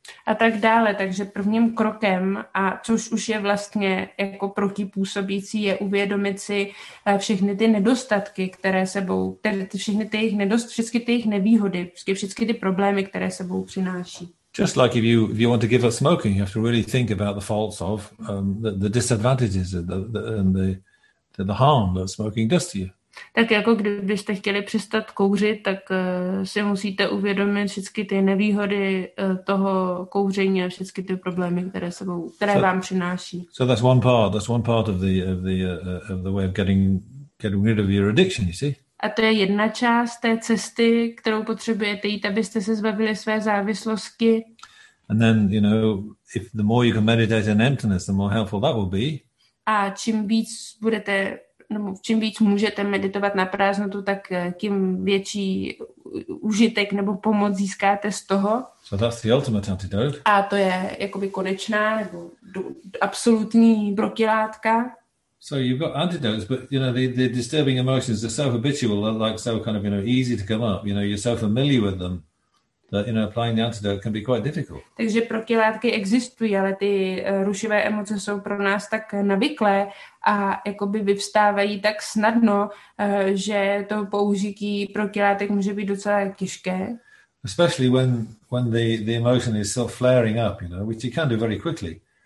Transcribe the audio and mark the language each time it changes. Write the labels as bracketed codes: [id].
[cs] A tak dále, takže prvním krokem, a což už je vlastně jako protipůsobící, je uvědomit si všechny ty nedostatky, které sebou, všechny ty jejich nevýhody, všechny ty problémy, které sebou přináší. [en] Just like if you want to give up smoking, you have to really think about the faults of the disadvantages and the harm that smoking does to you. [cs] Tak jako kdybyste chtěli přestat kouřit, tak si musíte uvědomit všechny ty nevýhody toho kouření a všechny ty problémy, které vám přináší. [en] So that's one part of the way of getting rid of your addiction, you see? [cs] A to je jedna část té cesty, kterou potřebujete jít, abyste se zbavili své závislosti. [en] And then, you know, if the more you can meditate on emptiness, the more helpful that will be. [cs] A čím víc budete nebo čím víc můžete meditovat na prázdnotu, tak tím větší užitek nebo pomoc získáte z toho. [en] So that's the ultimate antidote. [cs] A to je jakoby konečná nebo absolutní protilátka. [en] So you've got antidotes, but you know the disturbing emotions are so habitual, like so kind of, you know, easy to come up. You know, you're so familiar with them that, you know, applying the antidote can be quite difficult. [cs] Takže protilátky existují, ale ty rušivé emoce jsou pro nás tak navyklé a jakoby vyvstávají tak snadno, že to použití protilátek může být docela těžké. [en] Especially when the emotion is sort of flaring up, you know, which it can do very quickly.